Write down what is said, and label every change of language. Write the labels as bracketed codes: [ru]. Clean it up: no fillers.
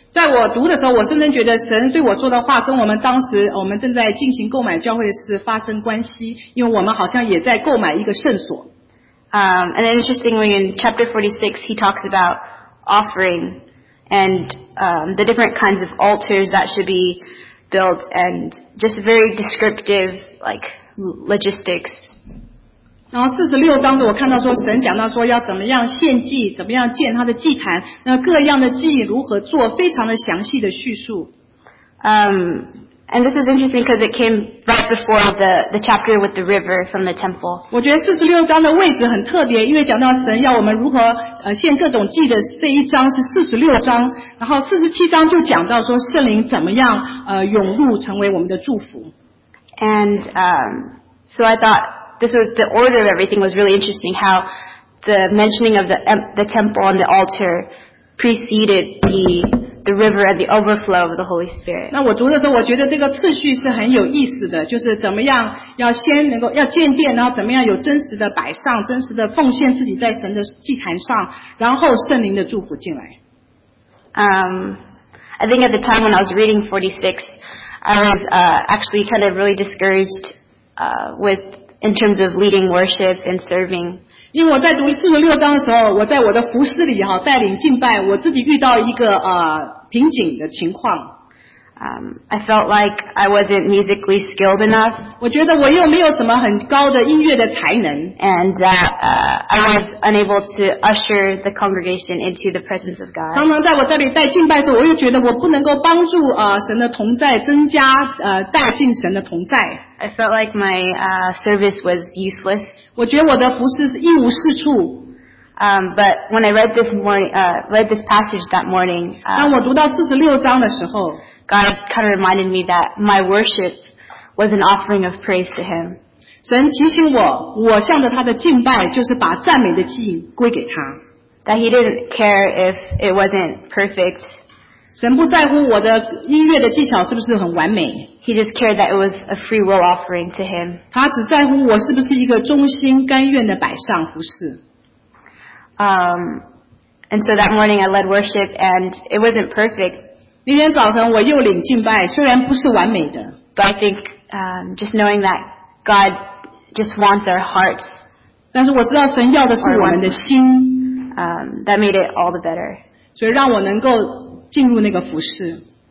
[zh] 在我读的时候，我深深觉得神对我说的话跟我们当时我们正在进行购买教会是发生关系，因为我们好像也在购买一个圣所。 [en] And interestingly, in chapter 46, he talks about offering and the different kinds of altars that should be built and just very descriptive like logistics. [zh] 然后四十六章的我看到说神讲到说要怎么样献祭，怎么样建他的祭坛，那各样的祭如何做，非常的详细的叙述。 [en] And this is interesting because it came right before the chapter with the river from the temple. [zh] 我觉得四十六章的位置很特别，因为讲到神要我们如何献各种祭的这一章是四十六章，然后四十七章就讲到说圣灵怎么样涌入成为我们的祝福。 [en] And so I thoughtThis was the order of everything was really interesting, how the mentioning of the temple and the altar preceded the river and the overflow of the Holy Spirit. [zh] 那我读的时候我觉得这个次序是很有意思的，就是怎么样要先能够要建殿，然后怎么样有真实的摆上，真实的奉献自己在神的祭坛上，然后圣灵的祝福进来。 [en] I think at the time when I was reading 46, I was actually kind of really discouraged within terms of leading worship and serving. [zh] 因为我在读四十六章的时候，我在我的服事里哈带领敬拜，我自己遇到一个瓶颈的情况。 [en] I felt like I wasn't musically skilled enough. [zh] 我觉得我又没有什么很高的音乐的才能。 [en] And that I was unable to usher the congregation into the presence of God. [zh] 常常在我这里带敬拜的时候，我又觉得我不能够帮助神的同在，增加带进神的同在。 [en] I felt like my service was useless. [zh] 我觉得我的服事是一无是处。 [en] But when I read this morning, read this passage that morning, [zh] 当我读到四十六章的时候， [en] God kind of reminded me that my worship was an offering of praise to Him. [zh] 神提醒我，我向着他的敬拜就是把赞美的祭归给他。 [en] That He didn't care if it wasn't perfect. [zh] 神不在乎我的音乐的技巧是不是很完美。 [en] He just cared that it was a free will offering to him. [zh] 他只在乎我是不是一个忠心甘愿的摆上服事。 [en] And so that morning I led worship and it wasn't perfect. [zh] 那天早晨我又领敬拜，虽然不是完美的。 [en] But I think, just knowing that God just wants our hearts. [zh] 但是我知道神要的是我们的心。 [en] That made it all the better. [zh] 所以让我能够进入那个服事。